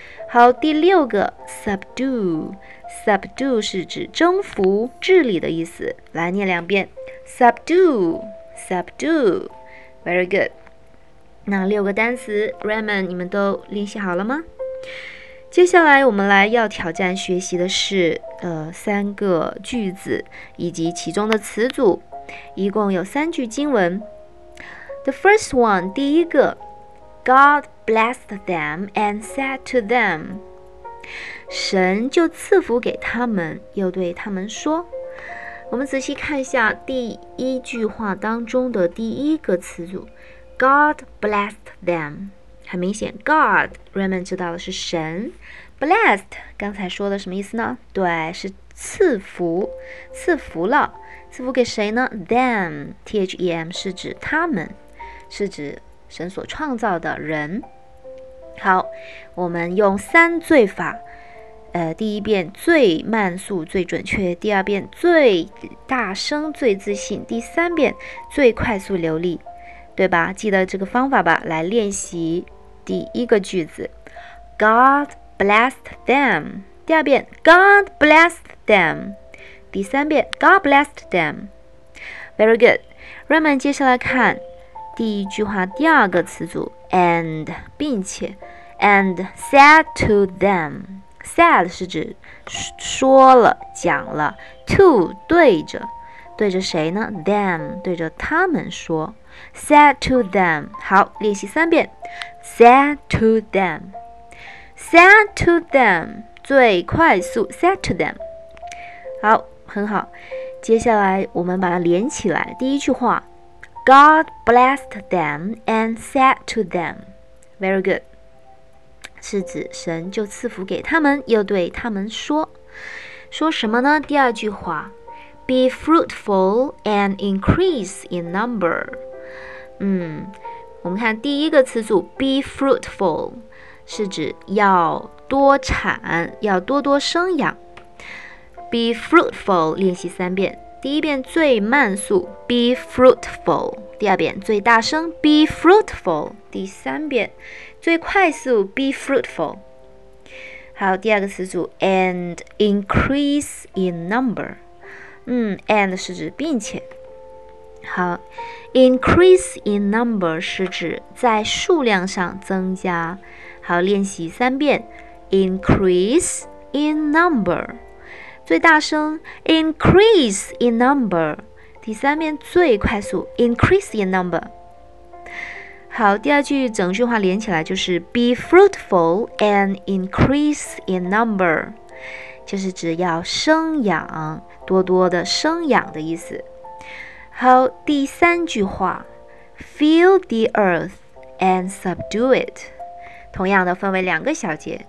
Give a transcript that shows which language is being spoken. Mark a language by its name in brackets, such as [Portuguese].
[Chinese] 好，第六个 subdue subdue 是指征服、治理的意思，来念两遍 subdue subdue [English] very good。 [Chinese] 那六个单词 Raymond 你们都练习好了吗？接下来我们来要挑战学习的是三个句子以及其中的词组，一共有三句经文。 [English] The first one [Chinese] 第一个 [English] God blessed them and said to them， [Chinese] 神就赐福给他们，又对他们说。我们仔细看一下第一句话当中的第一个词组 [English] God blessed them， [Chinese] 很明显 God Raymond 知道的是神， blessed 刚才说的什么意思呢？对，是赐福，赐福了，赐福给谁呢？ them T-H-E-M 是指他们，是指神所创造的人。好，我们用三罪法第一遍最慢速最准确，第二遍最大声最自信，第三遍最快速流利，对吧？记得这个方法吧，来练习第一个句子 God blessed them， 第二遍 God blessed them， 第三遍 [English] God blessed them very good。 [Chinese] Raymond 接下来看第一句话第二个词组 and 并且 [English] and said to them， [Chinese] said 是指说了、讲了， to 对着，对着谁呢？ them 对着他们说， [English] said to them。 [Chinese] 好，练习三遍 [English] said to them said to them， [Chinese] 最快速 [English] set them。 [Chinese] 好，很好，接下来我们把它连起来。第一句话， [English] God blessed them and said to them， very good， [Chinese] 是指神就赐福给他们，又对他们说，说什么呢？ [English] 第二句话， Be fruitful and increase in number。 [Chinese] 我们看第一个词组， [English] Be fruitful [Chinese] 是指要多产，要多多生养。 [English] Be fruitful [Chinese] 练习三遍，第一遍最慢速 Be fruitful， 第二遍最大声 Be fruitful， 第三遍最快速 Be fruitful。好，第二个词组 [English] And increase in number。 [Chinese] And 是指并且。好， [English] increase in number [Chinese] 是指在数量上增加。好，练习三遍， [English] increase in number， [Chinese] 最大声 increase in number， 第三遍最快速 increase in number。好，第二句整句话连起来就是 [English] be fruitful and increase in number， [Chinese] 就是指要生养，多多的生养的意思。好，第三句话， [English] Fill the earth and subdue it， [Chinese] 同样的分为两个小节。